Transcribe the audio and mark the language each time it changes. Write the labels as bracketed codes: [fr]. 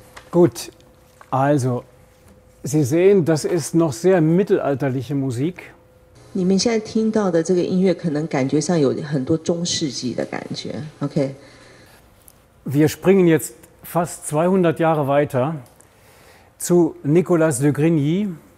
[de] Gut, also, Sie sehen, das ist noch sehr mittelalterliche Musik. [zh] 你们现在听到的这个音乐，可能感觉上有很多中世纪的感觉。 OK. [de] Wir springen jetzt fast 200 Jahre weiter zu Nicolas de Grigny.